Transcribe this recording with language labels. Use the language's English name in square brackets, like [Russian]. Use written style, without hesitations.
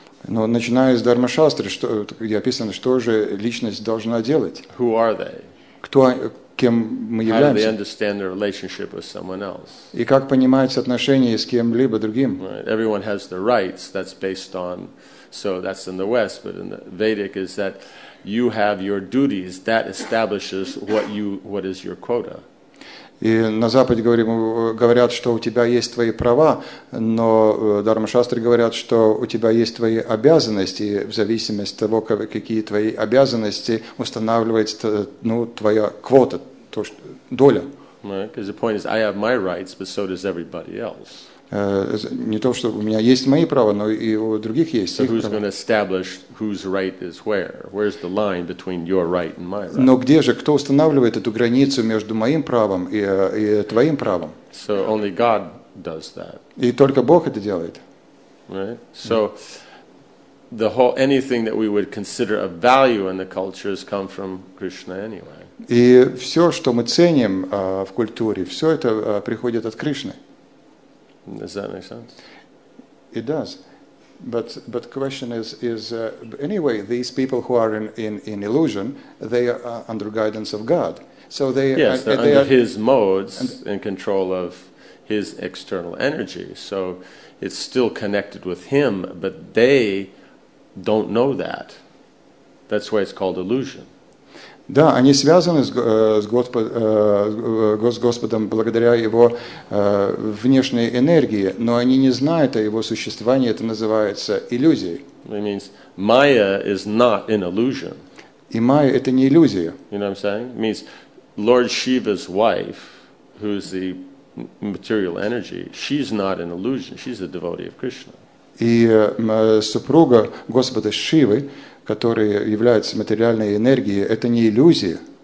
[Russian] Но начиная с Дарма Шастры, что, где описано, что же личность должна делать? [English] Who are they? [Russian] Кто, кем мы являемся? [English] How do they understand their relationship with someone else? [Russian] И как понимаются отношения с кем-либо другим? [English] Right. Everyone has their rights. That's based on, so that's in the West, but in the Vedic is that you have your duties. That establishes what you, what is your quota. [Russian] И на Западе говорят, что у тебя есть твои права, но дхармашастры говорят, что у тебя есть твои обязанности, в зависимости от того, какие твои обязанности, устанавливается ну, твоя квота, то, что, доля. [English] Because the point is, I have my rights, but so does everybody else. [Russian] Не то, что у меня есть мои права, но и у других есть. [English] So who's going to establish whose right is where? Where's the line between your right and my right? [Russian] Но где же, кто устанавливает эту границу между моим правом и твоим правом? [English] So only God does that. [Russian] И только Бог это делает. [English] Right? So the whole anything that we would consider a value in the culture has come from Krishna anyway. [Russian] И все, что мы ценим в культуре, все это приходит от Кришны. [English] Does that make sense? It does, but question is anyway these people who are in illusion they are under guidance of God, so they yes they're they under are, His modes and in control of His external energy, so it's still connected with Him, but they don't know that. That's why it's called illusion. [Russian] Да, они связаны с Господом благодаря Его внешней энергии, но они не знают о Его существовании, это называется иллюзией. [English] It means Maya is not an illusion. [Russian] И Майя – это не иллюзия. [English] You know what I'm saying? It means Lord Shiva's wife, who is the material energy, she's not an illusion, she's a devotee of Krishna. [Russian] И супруга Господа Шивы, которые являются материальной энергией, это не иллюзия.